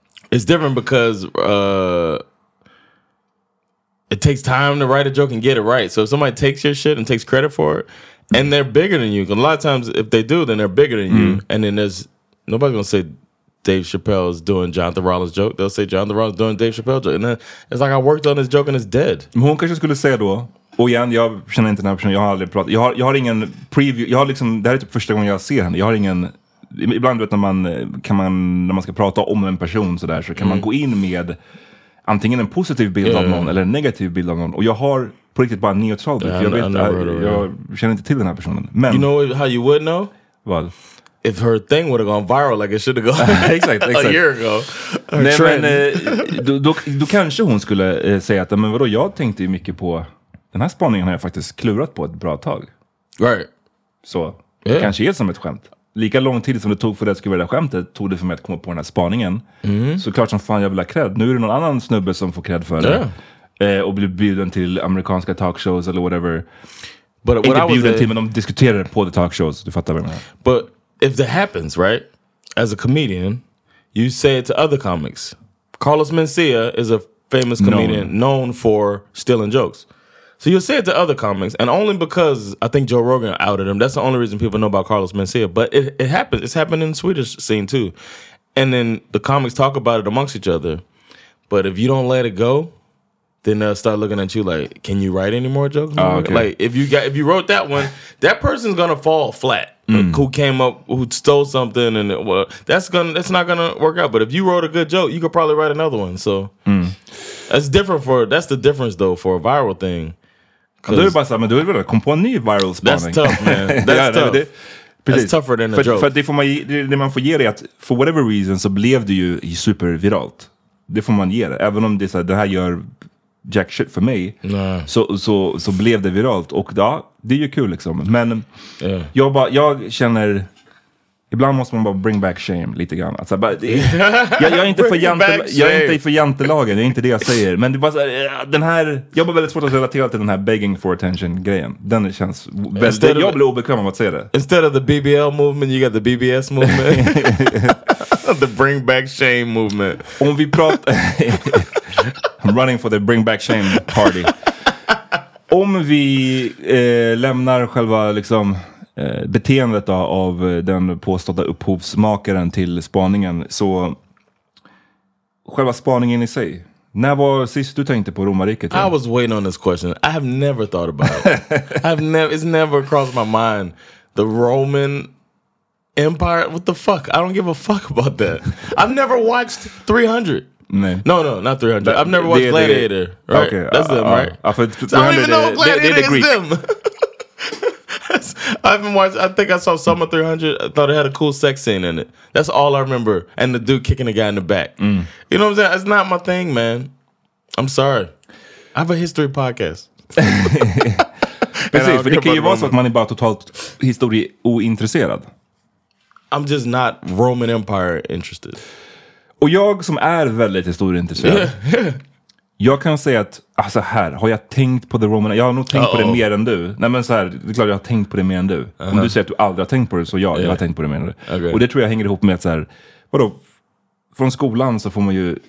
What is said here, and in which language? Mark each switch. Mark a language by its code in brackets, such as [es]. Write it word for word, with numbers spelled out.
[en] It's different because uh, it takes time to write a joke and get it right. So if somebody takes your shit and takes credit for it, and they're bigger than you, because a lot of times if they do, then they're bigger than mm. you, and then there's, nobody's going to say Dave Chappelle's doing Jonathan Rollins joke. They'll say Jonathan Rollins doing Dave Chappelle joke. And then it's like I worked on this joke and it's dead. [sv] Men hon kanske skulle säga då, och igen, jag känner inte den här personen, jag har aldrig pratat. Jag har, jag har ingen preview, jag har liksom, det här är typ första gången jag ser henne. Jag har ingen, ibland vet när man, kan man, när man ska prata om en person sådär, så kan mm. man gå in med antingen en positiv bild yeah. av någon eller en negativ bild av någon. Och jag har på riktigt bara neutralt. Yeah, jag, vet, [en] I never, [sv] jag, jag känner inte till den här personen. Men, [en] you know how you would know? [sv] Vad? [en] If her thing would have gone viral like it should have gone [sv] exakt, exakt. [en] a year ago. [sv] Nej, men, eh, då, då, då kanske hon skulle eh, säga att men vadå, jag tänkte ju mycket på den här spaningen har jag faktiskt klurat på ett bra tag. [en] Right. [sv] Så det yeah. kanske är som ett skämt. Lika lång tid som det tog för att skriva det där skämtet tog det för mig att komma på den här spaningen. Mm. Så klart som fan jag vill ha cred. Nu är det någon annan snubbe som får cred för det. Yeah. Eh, och blir bjuden till amerikanska talkshows eller whatever. [en] But [sv] inte what bjuden till men de diskuterar på the talkshows. Du fattar vad jag menar. [en] But if that happens, right, as a comedian, you say it to other comics. Carlos Mencia is a famous comedian no. known for stealing jokes. So you'll say it to other comics, and only because I think Joe Rogan outed him. That's the only reason people know about Carlos Mencia. But it, it happens. It's happened in the Swedish scene, too. And then the comics talk about it amongst each other. But if you don't let it go, then they'll start looking at you like, can you write any more jokes? Oh, okay. Like, if you got if you wrote that one, that person's going to fall flat. Mm. Who came up? Who stole something? And it, well, that's gonna that's not gonna work out. But if you wrote a good joke, you could probably write another one. So mm. that's different for that's the difference though for a viral thing. [sv] Du är bara så, men du är väl kom på en ny viral spaning. [en] That's tough, man. That's yeah, tough. [sv] Det, [en] that's tougher than a [sv] för, [en] joke. [sv] För det får man det, det man får ge det att [en] for whatever reason [sv] så blev det ju superviralt. Det får man ge det. Även om det så här, det här gör jack shit för mig [en] nah. [sv] så, så, så blev det viralt och ja, det är ju kul liksom men [en] yeah. [sv] jag, bara, jag känner ibland måste man bara [en] bring back shame [sv] lite grann alltså, bara, det, jag, jag är inte för jante, jag är inte för jantelagen, det är inte det jag säger men det bara så här, den här jag var väldigt svårt att relatera till den här [en] begging for attention [sv] grejen, den känns väldigt, jag blir the, obekväm om att säga det [en] instead of the B B L movement you got the B B S movement the bring back shame movement [sv] om vi pratar [en] I'm running for the bring back shame party. [sv] Om vi eh, lämnar själva liksom, eh, beteendet då, av den påstådda upphovsmakaren till spaningen så själva spaningen i sig. När var sist du tänkte på romarriket? [en] I was waiting on this question. I have never thought about it. I've never, it's never crossed my mind. The Roman Empire? What the fuck? I don't give a fuck about that. I've never watched three hundred. No, no, no, not three hundred. I've never watched they, Gladiator. They, right? Okay, that's uh, them, uh, right? Uh, so I don't even know Gladiator they, they is them. I haven't watched. I think I saw Summer three hundred. I thought it had a cool sex scene in it. That's all I remember. And the dude kicking the guy in the back. Mm. You know what I'm saying? It's not my thing, man. I'm sorry. I have a history podcast. [sv] Precis, för det kan ju vara så att man är bara totalt historieointresserad. [en] I'm just not Roman Empire interested. [sv] Och jag som är väldigt historieintresserad. Yeah, yeah. Jag kan säga att, alltså här, har jag tänkt på det Roman... Jag har nog tänkt Uh-oh. på det mer än du. Nej, men så här, det är klart jag har tänkt på det mer än du. Uh-huh. Om du säger att du aldrig har tänkt på det, så ja, yeah. jag har tänkt på det mer än du. Okay. Och det tror jag hänger ihop med att så här, vadå, från skolan så får man ju...